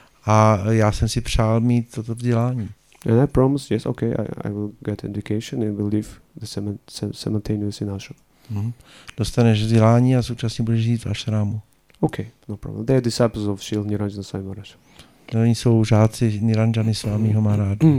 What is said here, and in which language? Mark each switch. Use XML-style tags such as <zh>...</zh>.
<cs>A já jsem si přál mít toto vzdělání.</cs> <en>And I promise, yes, okay, I will get education and will live the simultaneous in ashram. Mm-hmm.</en> <cs>Dostaneš vzdělání a současně budeš žít v ashramu.</cs> <en>Okay, no problem. They are disciples of Shri Niranjana Swami Maharaj.</en> <cs>No, oni jsou žáci Niranjany Swamiho Maharaj.</cs>